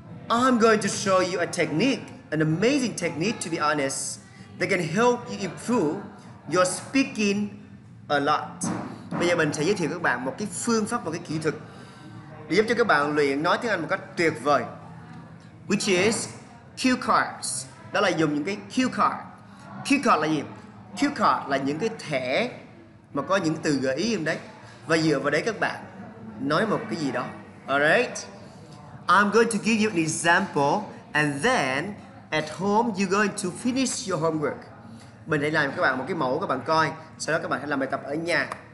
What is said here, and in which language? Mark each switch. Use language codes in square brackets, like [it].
[en] I'm going to show you a technique, an amazing technique to be honest, that can help you improve your speaking a lot. [vi] Bây giờ mình sẽ giới thiệu các bạn một cái phương pháp, một cái kỹ thuật để giúp cho các bạn luyện nói tiếng Anh một cách tuyệt vời, [en] which is cue cards. [vi] Đó là dùng những cái cue card. Cue card là gì? Cue card là những cái thẻ mà có những từ gợi ý trong đấy, và dựa vào đấy các bạn nói một cái gì đó. [en] Alright, I'm going to give you an example, and then at home you're going to finish your homework. [vi] Mình sẽ làm cho các bạn một cái mẫu, các bạn coi, sau đó các bạn sẽ làm bài tập ở nhà.